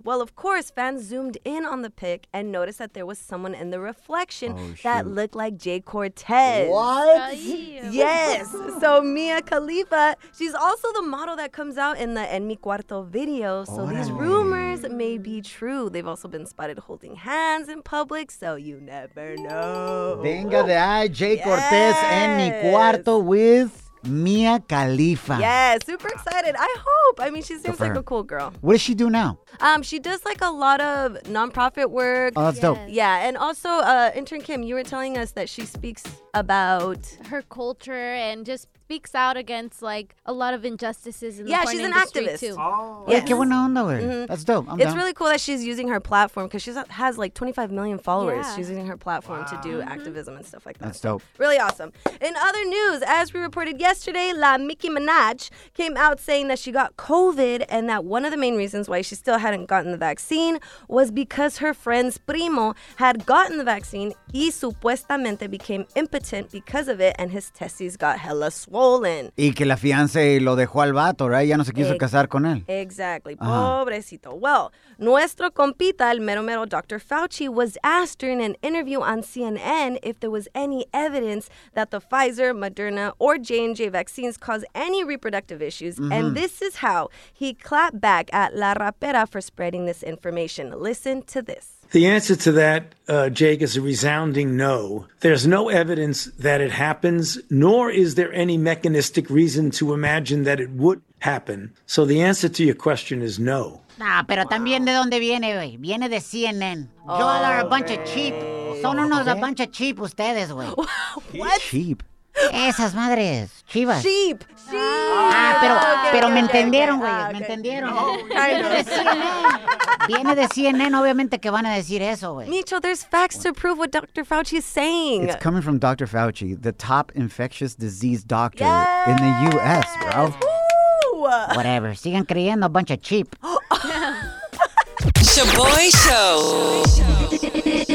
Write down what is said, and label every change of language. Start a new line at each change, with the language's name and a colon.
English: Well, of course, fans zoomed in on the pic and noticed that there was someone in the reflection that looked like Jay Cortez. What? Yes. So Mia Khalifa, she's also the model that comes out in the En Mi Cuarto video. So these rumors may be true. They've also been spotted holding hands in public. So you never know.
Spanish: Venga de ahí, Jay Cortez en mi cuarto with Mia Khalifa.
English: Yes, super excited. I hope. I mean, she seems like a cool girl. What does she do now? She does like a lot of nonprofit work. Oh, that's dope. Yeah, and also, intern Kim, you were telling us that she speaks about her culture and just speaks out against like a lot of injustices in the porn industry. Yeah, she's an activist. Too. Oh, yeah. Mm-hmm. That's dope. I'm it's down. Really cool that she's using her platform because she has like 25 million followers. Yeah. She's using her platform to do activism and stuff like that. That's dope. Really awesome. In other news, as we reported yesterday, La Nicki Minaj came out saying that she got COVID and that one of the main reasons why she still hadn't gotten the vaccine was because her friend's primo had gotten the vaccine
Spanish: y supuestamente
English: became impotent because of it and his testes got hella swollen.
Spanish: Y que la fiance lo dejó al vato, right? Ya no se quiso casar con él.
English: Exactly.
Spanish: Pobrecito.
English: Uh-huh.
Spanish: Well, nuestro compita, el mero mero Dr.
English: Fauci, was asked during an interview on CNN if there was any evidence that the Pfizer, Moderna, or J&J vaccines cause any reproductive issues. Mm-hmm. And this is how he clapped back at La Rapera for spreading this information. Listen to this. The answer to that, Jake, is a resounding no. There's no evidence that it happens, nor is there any mechanistic reason to imagine that it would happen. So the answer to your question is no.
Spanish: Nah, pero también de dónde viene, güey. Viene de CNN.
English: Y'all are a bunch of cheap.
Spanish: Son unos
English: a bunch of cheap
Spanish: ustedes, güey.
English: What? Cheap.
Spanish: Esas madres, chivas.
English: Sheep, sheep.
Spanish: Ah, pero okay, me entendieron, güey, okay. Me entendieron. Viene de CNN, obviamente que van a decir eso, güey.
English: Micho, there's facts to prove what Dr. Fauci is saying. It's coming from Dr. Fauci, the top infectious disease doctor in the U.S., bro. Ooh. Whatever,
Spanish: sigan creyendo,
English: a bunch of cheap. Shoboy Show.